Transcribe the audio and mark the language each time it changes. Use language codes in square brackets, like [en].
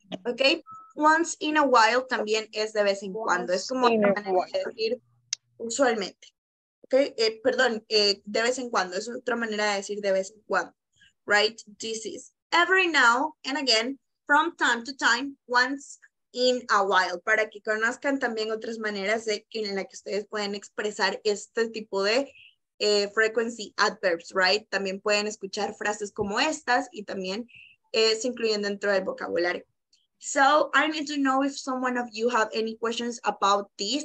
[es] Okay, once in a while también es de vez en cuando. Es como una manera de decir usualmente. Okay, de vez en cuando. Es otra manera de decir de vez en cuando. [en] Right, this is every now and again, from time to time, once in a while. [es] Para que conozcan también otras maneras de en la que ustedes pueden expresar este tipo de frequency adverbs, right? También pueden escuchar frases como estas y también se incluyen dentro del vocabulario. [en] So, I need to know if someone of you have any questions about this.